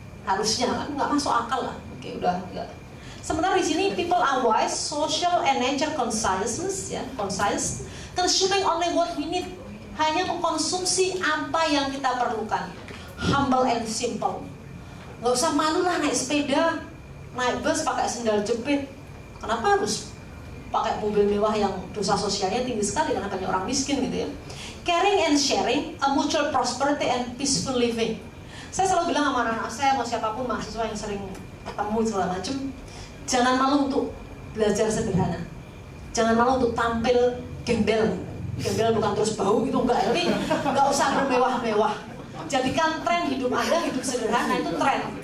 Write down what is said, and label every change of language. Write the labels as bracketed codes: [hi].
[id] Harusnya, nggak masuk akal lah. Oke, udah, nggak. Sementara di sini [en] people are wise, social and nature consciousness [id] ya, [en] conscious, consuming only what we need, [id] hanya mengkonsumsi apa yang kita perlukan, [en] humble and simple. [id] Gak usah malu lah naik sepeda, naik bus pakai sendal jepit. Kenapa harus pakai mobil mewah yang dosa sosialnya tinggi sekali karena banyak orang miskin gitu ya? [en] Caring and sharing, a mutual prosperity and peaceful living. [id] Saya selalu bilang sama anak-anak saya, mau siapapun mahasiswa yang sering ketemu segala macam. Jangan malu untuk belajar sederhana. Jangan malu untuk tampil gembel. Gembel bukan terus bau gitu, enggak. Tapi enggak usah bermewah-mewah. Jadikan tren hidup Anda, hidup sederhana itu tren.